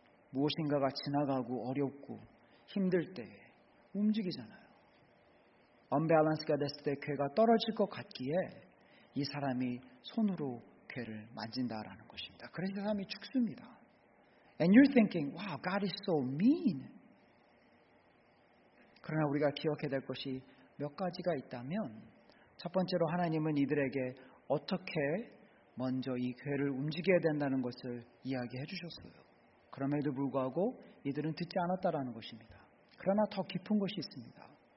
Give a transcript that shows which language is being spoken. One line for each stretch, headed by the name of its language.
Korean: 무엇인가가 지나가고 어렵고 힘들 때 움직이잖아요. 언밸런스가 됐을 때 궤가 떨어질 것 같기에 이 사람이 손으로 궤를 만진다라는 것입니다. 그래서 이 사람이 죽습니다.
English: And you're thinking, wow, God is so mean.
Korean: 그러나 우리가 기억해야 될 것이 몇 가지가 있다면 첫 번째로 하나님은 이들에게 어떻게 먼저 이 궤를 움직여야 된다는 것을 이야기해 주셨어요. 그럼에도 불구하고 이들은 듣지 않았다라는 것입니다. 그러나 더 깊은 것이 있습니다.